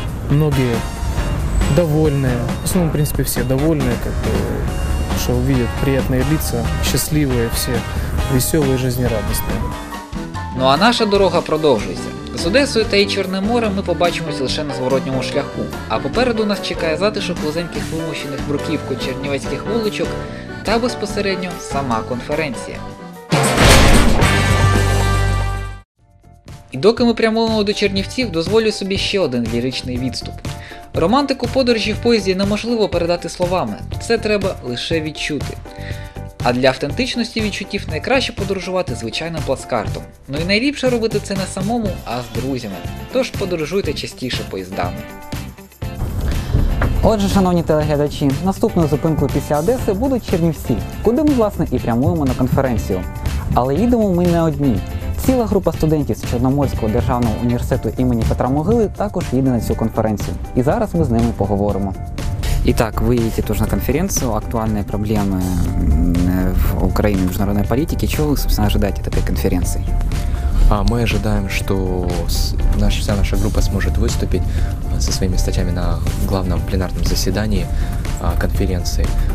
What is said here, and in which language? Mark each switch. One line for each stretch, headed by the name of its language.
Russian: Многие довольные, в основном, в принципе, все довольные, как бы, что увидят приятные лица, счастливые все, веселые, жизнерадостные.
Ukrainian: Ну а наша дорога продовжується. З Одесою та її Чорним морем ми побачимось лише на зворотньому шляху. А попереду нас чекає затишок вузеньких вимощених бруківкою чернівецьких вуличок та безпосередньо сама конференція. І доки ми прямуємо до Чернівців, дозволю собі ще один ліричний відступ. Романтику подорожі в поїзді неможливо передати словами, це треба лише відчути. А для автентичності відчуттів найкраще подорожувати звичайним плацкартом. Ну і найліпше робити це не самому, а з друзями. Тож подорожуйте частіше поїздами. Отже, шановні телеглядачі, наступною зупинкою після Одеси будуть Чернівці, куди ми, власне, і прямуємо на конференцію. Але їдемо ми не одні. Ціла група студентів з Чорноморського державного університету імені Петра Могили також їде на цю конференцію. І зараз ми з ними поговоримо.
Russian: Итак, вы едете тоже на конференцию «Актуальные проблемы в Украине и международной политике». Чего вы, собственно, ожидаете от этой конференции? Мы ожидаем, что вся наша группа сможет выступить со своими статьями на главном пленарном заседании конференции.